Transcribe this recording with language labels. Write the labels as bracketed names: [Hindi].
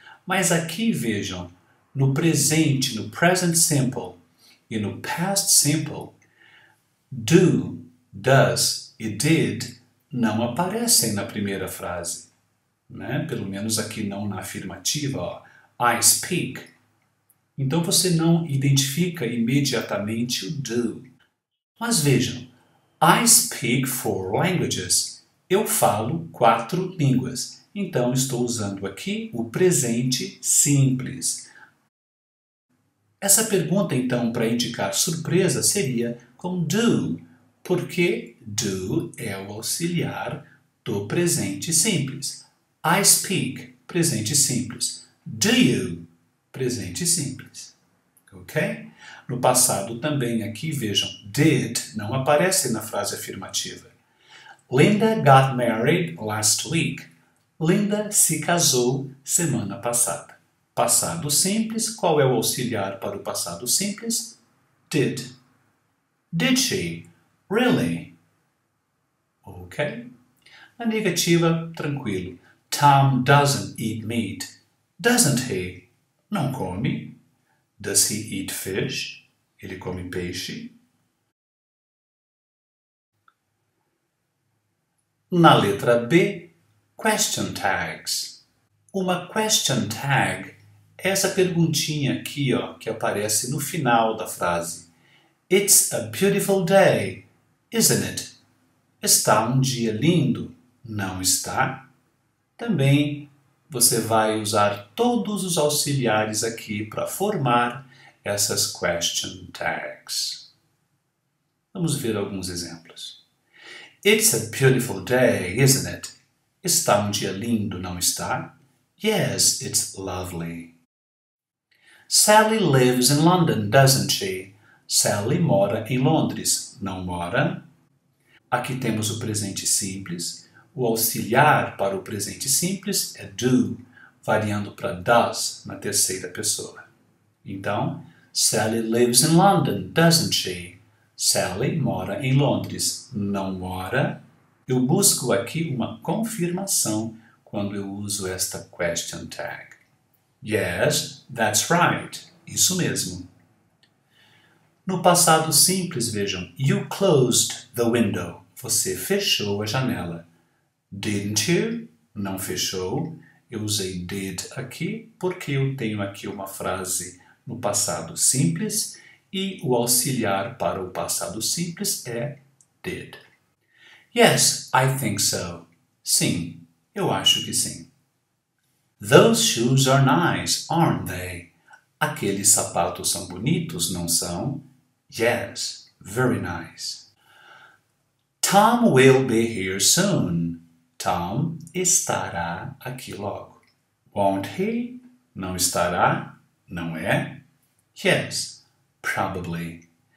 [Portuguese] Mas aqui, vejam, no presente, no present simple e no past simple, do, does e did não aparecem na primeira frase. Né? Pelo menos aqui não na afirmativa, ó. [English] I speak. [Portuguese] Então, você não identifica imediatamente o do. Mas vejam, [English] I speak 4 languages. [Portuguese] Eu falo 4 línguas. Então, estou usando aqui o presente simples. Essa pergunta, então, para indicar surpresa, seria com do. Porque do é o auxiliar do presente simples. [English] I speak, [Portuguese] presente simples. [English] Do you? [Portuguese] Presente simples, ok? No passado também, aqui vejam, did não aparece na frase afirmativa. [English] Linda got married last week. [Portuguese] Linda se casou semana passada. Passado simples, qual é o auxiliar para o passado simples? [English] Did. Did she? Really? Ok? [Portuguese] Na negativa, tranquilo. [English] Tom doesn't eat meat. Doesn't he? [Portuguese] Não come. [English] Does he eat fish? [Portuguese] Ele come peixe. Na letra B, question tags. Uma question tag é essa perguntinha aqui, ó, que aparece no final da frase. [English] It's a beautiful day, isn't it? [Portuguese] Está um dia lindo, não está? Também você vai usar todos os auxiliares aqui para formar essas question tags. Vamos ver alguns exemplos. [English] It's a beautiful day, isn't it? [Portuguese] Está um dia lindo, não está? [English] Yes, it's lovely. Sally lives in London, doesn't she? [Portuguese] Sally mora em Londres, não mora? Aqui temos o presente simples. O auxiliar para o presente simples é do, variando para does na terceira pessoa. [English] Então, Sally lives in London, doesn't she? [Portuguese] Sally mora em Londres, não mora? Eu busco aqui uma confirmação quando eu uso esta question tag. [English] Yes, that's right. [Portuguese] Isso mesmo. No passado simples, vejam, [English] you closed the window. [Portuguese] Você fechou a janela. [English] Didn't you? [Portuguese] Não fechou. Eu usei did aqui porque eu tenho aqui uma frase no passado simples e o auxiliar para o passado simples é did. [English] Yes, I think so. [Portuguese] Sim, eu acho que sim. [English] Those shoes are nice, aren't they? [Portuguese] Aqueles sapatos são bonitos, não são? [English] Yes, very nice. Tom will be here soon. [Portuguese] Tom estará aqui logo. [English] Won't he? [Portuguese] Não estará? Não é? [English] Yes, probably.